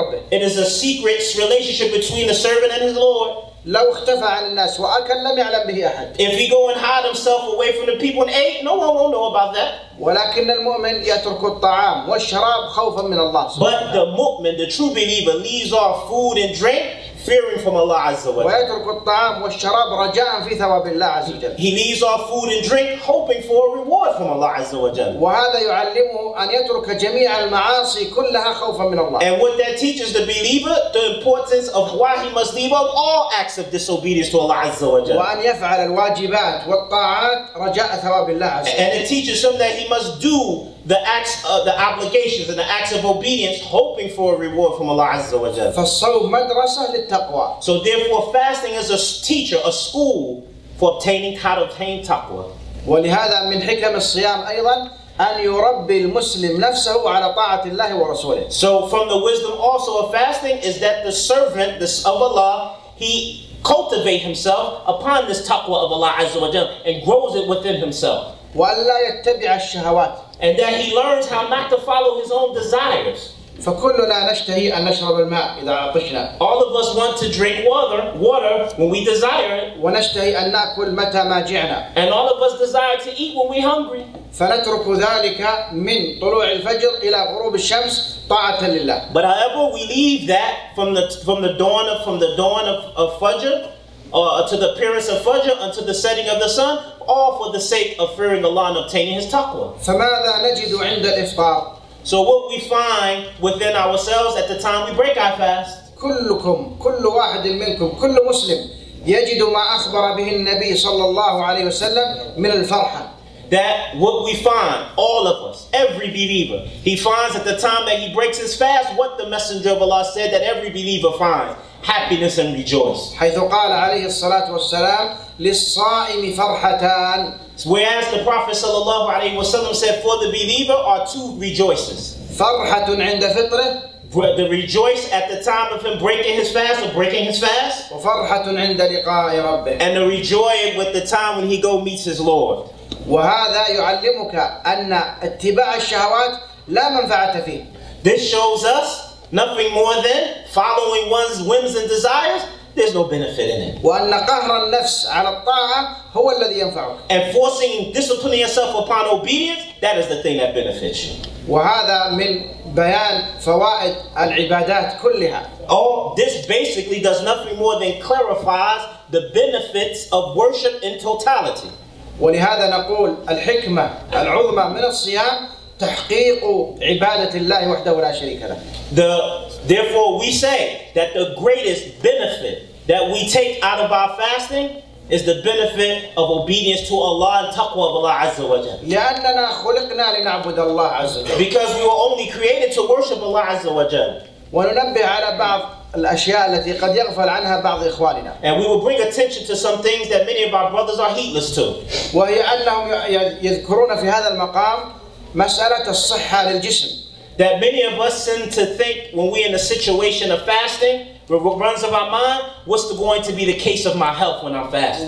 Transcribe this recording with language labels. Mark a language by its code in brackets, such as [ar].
[en] It is a secret relationship between the servant and his Lord. [ar] لو اختفى عن الناس وأكل لم يعلم به أحد. [en] If he go and hide himself away from the people and ate, no one will know about that. [ar] ولكن المؤمن يترك الطعام والشراب خوفا من الله. [en] But the mu'min, the true believer, leaves off food and drink, fearing from Allah Azza wa Jalla. [ar] ويترك الطعام والشراب رجاء في ثواب الله عز وجل. [en] He leaves off food and drink, hoping for a reward from Allah Azza wa Jalla. [ar] وهذا يعلمه أن يترك جميع المعاصي كلها خوفا من الله. [en] And what that teaches the believer, the importance of why he must leave off all acts of disobedience to Allah Azza wa Jalla. [ar] وأن يفعل الواجبات والطاعات رجاء ثواب الله عز وجل. [en] And it teaches him that he must do the acts, the obligations, and the acts of obedience, hoping for a reward from Allah Azza wa Jalla. [ar] فالصوم مدرسة للتقوى. [en] So therefore, fasting is a teacher, a school for obtaining how to obtain taqwa. [ar] ولهذا من حكم الصيام أيضا أن يربي المسلم نفسه على طاعة الله ورسوله. [en] So from the wisdom also of fasting is that the servant, this of Allah, he cultivate himself upon this taqwa of Allah Azza wa Jalla and grows it within himself. [ar] وألا يتبع الشهوات. [en] And that he learns how not to follow his own desires. [ar] فكلنا نشتهي أن نشرب الماء إذا عطشنا. [en] All of us want to drink water when we desire it. [ar] ونشتهي أن نأكل متى ما جعنا. [en] And all of us desire to eat when we're hungry. [ar] فنترك ذلك من طلوع الفجر إلى غروب الشمس طاعة لله. [en] But however we leave that from the dawn of Fajr, to the appearance of Fajr until the setting of the sun, all for the sake of fearing Allah and obtaining His taqwa. [ar] فماذا نجد عند الإفطار? [en] So what we find within ourselves at the time we break our fast? [ar] كلكم كل واحد منكم كل مسلم يجد ما أخبر به النبي صلى الله عليه وسلم من الفرحة. [en] That what we find, all of us, every believer, he finds at the time that he breaks his fast what the Messenger of Allah said that every believer finds. Happiness and rejoice. [ar] حيث قال عليه الصلاة والسلام للصائم فرحتان. [en] Whereas the Prophet [ar] صلى الله عليه وسلم [en] said, for the believer are two rejoices. [ar] فرحة عند فطره. [en] The rejoice at the time of him breaking his fast or breaking his fast. [ar] وفرحة عند لقاء ربه. [en] And the rejoice with the time when he go meets his Lord. [ar] وهذا يعلمك أن اتباع الشهوات لا منفعة فيه. [en] This shows us nothing more than following one's whims and desires, there's no benefit in it. [ar] وأن قهر النفس على الطاعة هو الذي ينفعك. [en] And forcing discipline yourself upon obedience, that is the thing that benefits you. [ar] وهذا من بيان فوائد العبادات كلها. [en] Oh, this basically does nothing more than clarifies the benefits of worship in totality. [ar] ولهذا نقول الحكمة العظمى من الصيام تحقيق عبادة الله وحده لا شريك له. [en] Therefore we say that the greatest benefit that we take out of our fasting is the benefit of obedience to Allah and taqwa of Allah Azza wa Jalla. [ar] لأننا خلقنا لنعبد الله عز وجل. [en] Because we were only created to worship Allah Azza wa Jalla. [ar] وننبه على بعض الأشياء التي قد يغفل عنها بعض إخواننا. [en] And we will bring attention to some things that many of our brothers are heedless to. [ar] وهي أنهم يذكرون في هذا المقام مسألة الصحة للجسم. [en] That many of us tend to think when we're in a situation of fasting, what runs of our mind, what's going to be the case of my health when I'm fasting?